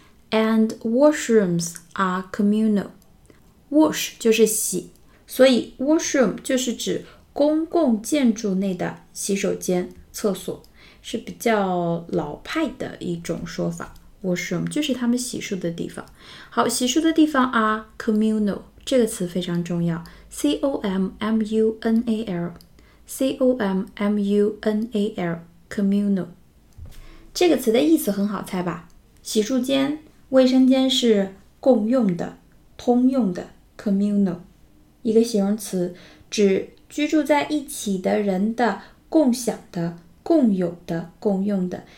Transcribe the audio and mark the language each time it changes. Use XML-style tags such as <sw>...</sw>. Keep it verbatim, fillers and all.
<en>And washrooms are communal。</en> <zh>Wash 就是洗，所以 washroom 就是指公共建筑内的洗手间厕所，是比较老派的一种说法，washroom 就是他们洗漱的地方。好，洗漱的地方</zh> <en>are communal，</en> <zh>这个词非常重要， C O M M U N A L C O M M U N A L communal。这个词的意思很好猜吧，洗漱间卫生间是共用的通用的 communal， 一个形容词指居住在一起的人的共享的共有的共用的。</zh>